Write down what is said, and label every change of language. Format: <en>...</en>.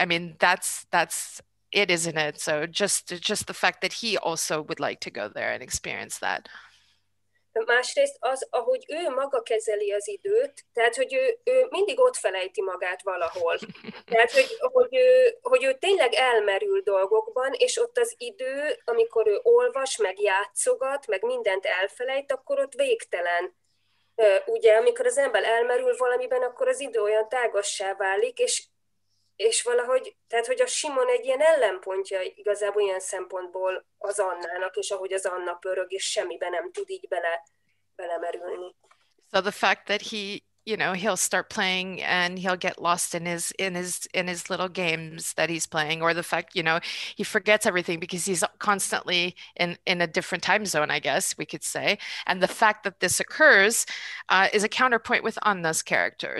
<en>I mean, that's it, isn't it? So just the fact that he also would like to go there and experience that.</en> <hu>Másrészt az, ahogy ő maga kezeli az időt, tehát, hogy ő mindig ott felejti magát valahol. Tehát, hogy ő tényleg elmerül dolgokban, és ott az idő, amikor ő olvas, meg játszogat, meg mindent elfelejt, akkor ott végtelen. Ugye, amikor az ember elmerül valamiben, akkor az idő olyan tágassá válik, és valahogy, tehát, hogy a Simon egy ilyen ellenpontja igazából ilyen szempontból az Annának, és ahogy az Anna pörög, és semmibe nem tud így belemerülni.</hu> <en>So the fact that he, you know, he'll start playing and he'll get lost in his little games that he's playing, or the fact, you know, he forgets everything because he's constantly in a different time zone, I guess we could say. And the fact that this occurs is a counterpoint with Anna's character.</en>